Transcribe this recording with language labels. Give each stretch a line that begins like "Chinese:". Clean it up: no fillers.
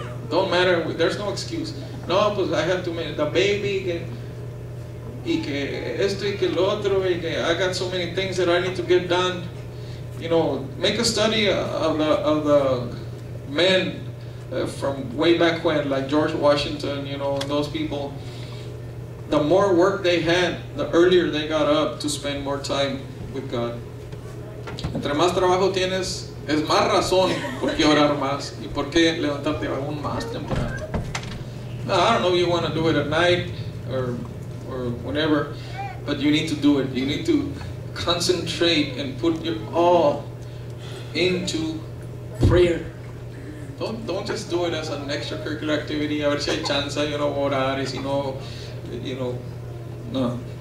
English: Don't matter. There's no excuse.
Spanish: No, pues
English: I have too many. The baby,
Spanish: y que esto y que lo otro, y que
English: I got so many things that I need to get done. You know, make a study of the men from way back when, like George Washington, you know, and those people. The more work they had, the earlier they got up to spend more time with God.
Spanish: Entre más trabajo tienes, es más razón por qué orar más y por qué levantarte aún más temprano.
English: I don't know if you want to do it at night or whenever, but you need to do it. You need to concentrate and put your all into prayer. Don't just do it as an extracurricular activity.
Spanish: A ver si hay chance,
English: you know,
Spanish: orar, y si no,
English: you know, no.